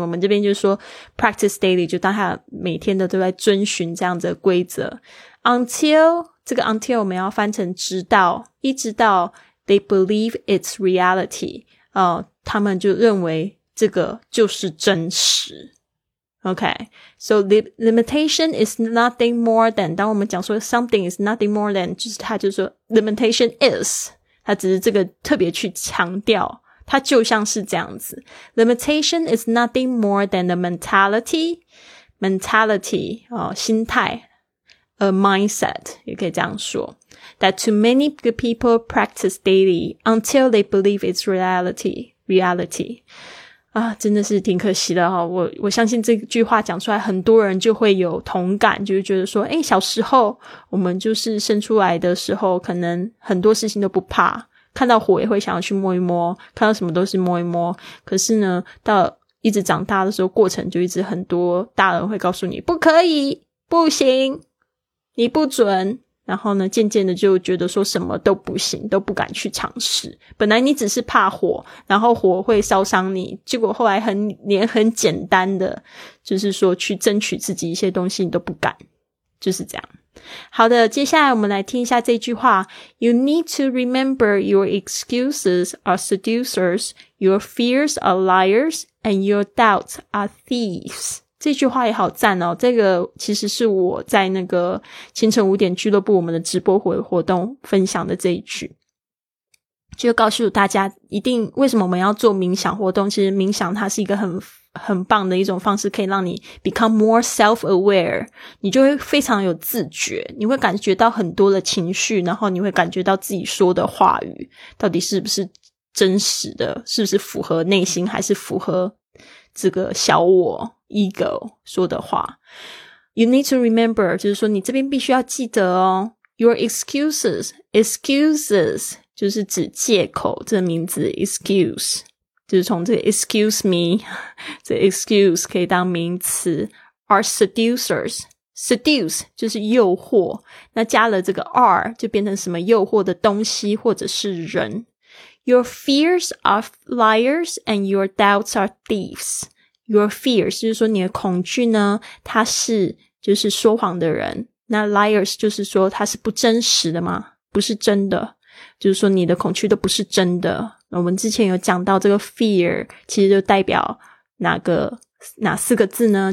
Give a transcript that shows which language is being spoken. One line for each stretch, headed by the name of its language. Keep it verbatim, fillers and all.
Chinese: 我们这边就说 practice daily，就当他每天的都在遵循这样子的规则。 until 这个 until 我们要翻成直到，一直到 they believe it's reality，呃，他们就认为这个就是真实。
English: Okay, so the limitation is nothing more than, 当我们讲说 something is nothing more than，就是他就说 limitation is，他只是这个特别去强调，他就像是这样子。 Limitation is nothing more than the mentality, mentality, 哦，心态 a mindset，也可以这样说 that too many good people practice daily until they believe it's reality, reality.
Chinese: 啊，真的是挺可惜的哈、哦！我我相信这句话讲出来，很多人就会有同感，就是觉得说，诶，小时候我们就是生出来的时候，可能很多事情都不怕，看到火也会想要去摸一摸，看到什么都是摸一摸。可是呢，到一直长大的时候，过程就一直很多大人会告诉你，不可以，不行，你不准。然后呢渐渐的就觉得说什么都不行，都不敢去尝试。本来你只是怕火，然后火会烧伤你，结果后来很连很简单的就是说去争取自己一些东西你都不敢，就是这样。好的，接下来我们来听一下这句话。
English: You need to remember your excuses are seducers, your fears are liars, and your doubts are thieves。
Chinese: 这句话也好赞哦，这个其实是我在那个清晨五点俱乐部我们的直播活活动分享的这一句，就告诉大家一定为什么我们要做冥想活动。其实冥想它是一个很很棒的一种方式，可以让你 become more self-aware，你就会非常有自觉，你会感觉到很多的情绪，然后你会感觉到自己说的话语到底是不是真实的，是不是符合内心，还是符合这个小我ego 说的话。 You need to remember 就是说你这边必须要记得哦， your excuses excuses 就是指借口，这名字 excuse 就是从这个 excuse me 这 excuse 可以当名词。 are seducers seduce 就是诱惑，那加了这个 are 就变成什么诱惑的东西或者是人。
English: your fears are liars and your doubts are thieves。
Chinese: Your fears 就是说你的恐惧呢，他是就是说谎的人。那 liars 就是说他是不真实的嘛，不是真的，就是说你的恐惧都不是真的。我们之前有讲到这个 fear 其实就代表哪个哪四个字呢？